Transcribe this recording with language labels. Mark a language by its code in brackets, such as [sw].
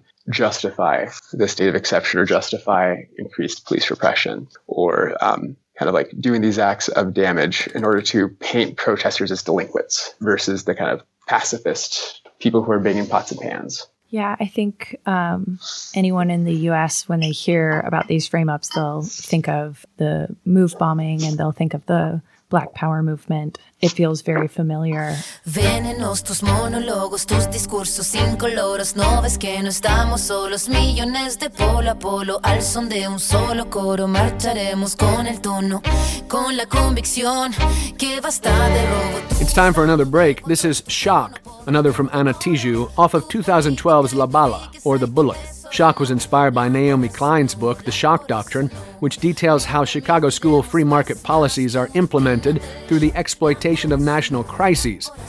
[en] justify the state of exception or justify increased police repression or kind of like doing these acts of damage in order to paint protesters as delinquents versus the kind of pacifist people who are banging pots and pans. Yeah, I think anyone in the U.S., when they hear about these frame-ups, they'll think of the MOVE bombing and they'll think of the Black Power movement. It feels very familiar. [es] Venenos tus monólogos, tus discursos incoloros, no ves que no estamos solos, millones de polo a polo, al son de un solo coro, marcharemos con el tono, con la convicción que basta de robo. [en] It's time for another break. This is Shock, another from Ana Tijoux, off of 2012's La Bala, or The Bullet. Shock was inspired by Naomi Klein's book, The Shock Doctrine, which details how Chicago school free market policies are implemented through the exploitation of national crises.